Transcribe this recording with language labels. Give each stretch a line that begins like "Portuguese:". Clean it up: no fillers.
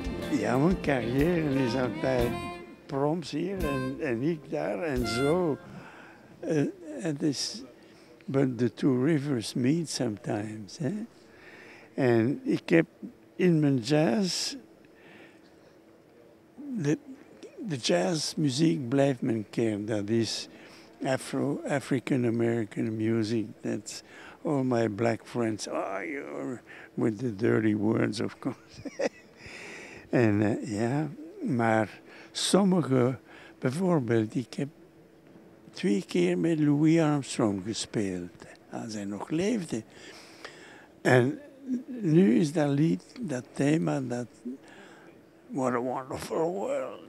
Dutch: Ja, mijn carrière is altijd Proms hier en ik daar en zo. Het is,
English: but the two rivers meet sometimes. Hè?
Dutch: En ik heb in mijn jazz, de jazzmuziek blijft mijn kern. Dat is Afro-African-American music.
English: That's all my black friends. Oh, you're with the dirty words, of course.
Dutch: En maar sommige, bijvoorbeeld, ik heb 2 keer met Louis Armstrong gespeeld, als hij nog leefde. En nu is dat lied, dat thema, dat What a Wonderful World.